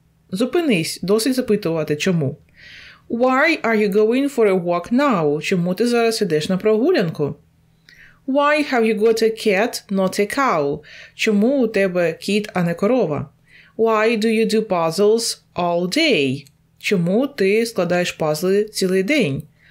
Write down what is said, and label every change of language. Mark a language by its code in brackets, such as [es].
[uk] Зупинись, досить запитувати чому. [en] Why are you going for a walk now? [uk] Чому ти зараз ідеш на прогулянку? [en] Why have you got a cat, not a cow? [uk] Чому у тебе кіт, а не корова? [en] Why do you do puzzles all day? [uk] Чому ти складаєш пазли цілий день?